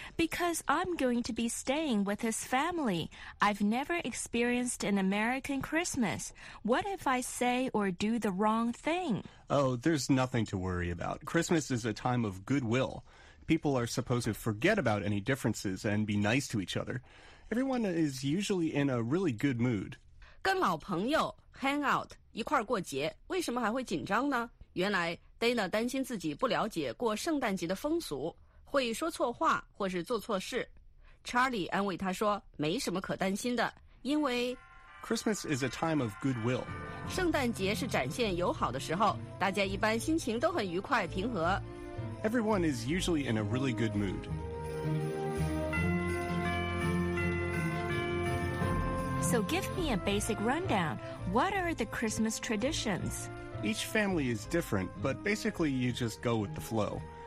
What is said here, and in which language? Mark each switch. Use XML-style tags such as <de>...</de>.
<en>Because I'm going to be staying with his family. I've never experienced an American Christmas. What if I say or do the wrong thing? Oh, there's nothing to worry about. Christmas is a time of goodwill. People are supposed to forget about any differences and be nice to each other. Everyone is usually in a really good mood.</en> <zh>跟老朋友</zh> <en>hang out</en> <zh>一块儿过节，为什么还会紧张呢？原来 Dana 担心自己不了解过圣诞节的风俗，会说错话或是做错事。 Charlie 安慰他说没什么可担心的，因为</zh> <en>Christmas is a time of goodwill，</en> <zh>圣诞节是展现友好的时候，大家一般心情都很愉快平和。</zh> <en>Everyone is usually in a really good mood。 So give me a basic rundown. What are the Christmas traditions? Each family is different, but basically you just go with the flow.</en>